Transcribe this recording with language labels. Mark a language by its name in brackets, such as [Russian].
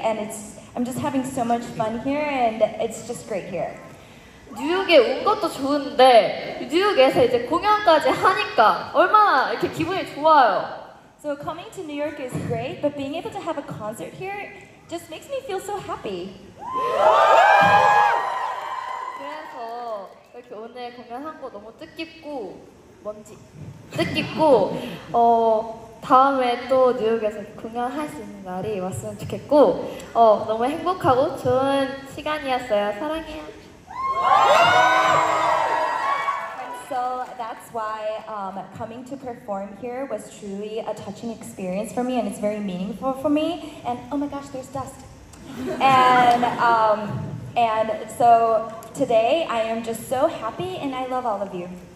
[English] And I'm just having so much fun here, and it's just great here. [Korean] 뉴욕에 온 것도 좋은데 뉴욕에서 이제 공연까지 하니까 얼마나 이렇게 기분이 좋아요. [English] So coming to New York is great, but being able to have a concert here just makes me feel so happy. [Korean] 그래서 이렇게 오늘 공연한 거 너무 뜻깊고 뭔지 뜻깊고 다음에 또 뉴욕에서 공연할 수 있는 날이 왔으면 좋겠고 너무 행복하고 좋은 시간이었어요. 사랑해요. [English] So that's why coming to perform here was truly a touching experience for me, and it's very meaningful for me. And oh my gosh, there's dust. And so today I am just so happy, and I love all of you.